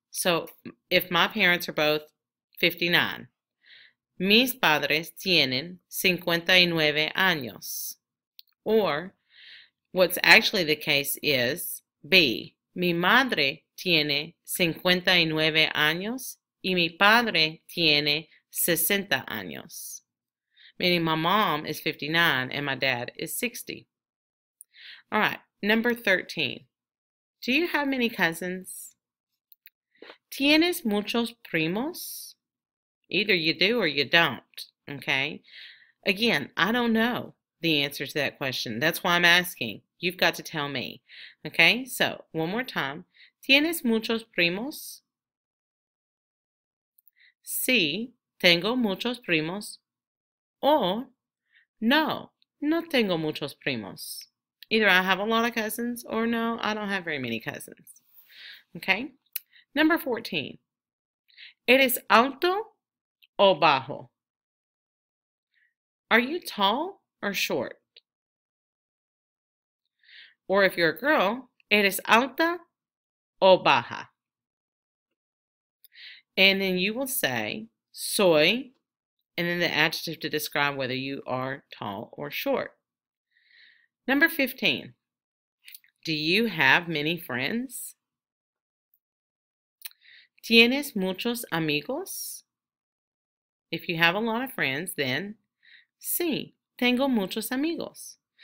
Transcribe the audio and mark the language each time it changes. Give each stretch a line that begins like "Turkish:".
English: So, if my parents are both 59,
Spanish: mis padres tienen 59 años.
English: Or, what's actually the case is B.
Spanish: Mi madre tiene 59 años y mi padre tiene 60 años.
English: Meaning, my mom is 59 and my dad is 60. All right, number 13. Do you have many cousins?
Spanish: ¿Tienes muchos primos?
English: Either you do or you don't, okay? Again, I don't know the answer to that question. That's why I'm asking. You've got to tell me, okay? So, one more time.
Spanish: ¿Tienes muchos primos? Sí, tengo muchos primos. O, no, no tengo muchos primos.
English: Either I have a lot of cousins or no, I don't have very many cousins, okay? Number 14.
Spanish: ¿Eres alto o bajo?
English: Are you tall or short? Or if you're a girl,
Spanish: ¿eres alta o baja?
English: And then you will say, soy, and then the adjective to describe whether you are tall or short. Number 15. Do you have many friends?
Spanish: ¿Tienes muchos amigos?
English: If you have a lot of friends, then
Spanish: sí, tengo muchos amigos.